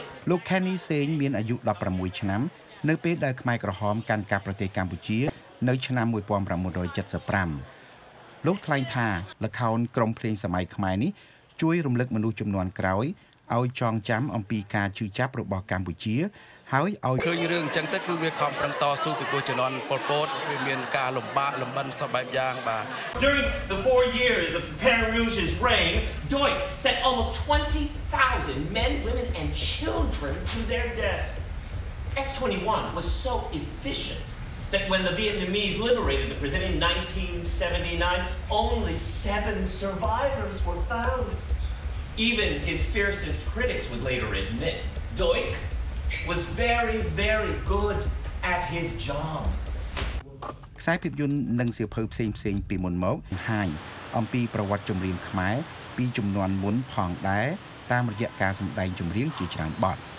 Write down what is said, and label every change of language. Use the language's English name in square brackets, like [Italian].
[Khmer] លោកខេនីសេងមានអាយុ16ឆ្នាំនៅពេលដែលខ្មែរក្រហមកាន់កាប់ប្រទេសកម្ពុជានៅឆ្នាំ1975លោកថ្លែងថាល្ខោនក្រំភ្លេងសម័យខ្មែរនេះជួយរំលឹកមនុស្សចំនួនក្រោយឲ្យចងចាំអំពីការជឿចាប់របស់កម្ពុជាហើយឲ្យ ឃើញរឿងអញ្ចឹងទៅគឺវាខំប្រឹងតស៊ូពីគូជំនាន់ប៉ុលពតវាមានការលំបាកលំបិនសពបែបយ៉ាងបា [English] ទ During the 4 years of Khmer Rouge's reign, Doik sent almost 20,000 men, women and children to their deaths. S21 was so efficient that when the Vietnamese liberated the prison in 1979, only 7 survivors were found. Even his fiercest critics would later admit Doik was very, very good at his job. [Khmer] ខ្សែភាពយន្តនិងសៀវភៅផ្សេងផ្សេងពីមុនមកបង្ហាញអំពីប្រវត្តិចម្រៀងខ្មែរពីជំនាន់មុនផងដែរតាមរយៈការសម្ដែងចម្រៀងជាច្រើនបទ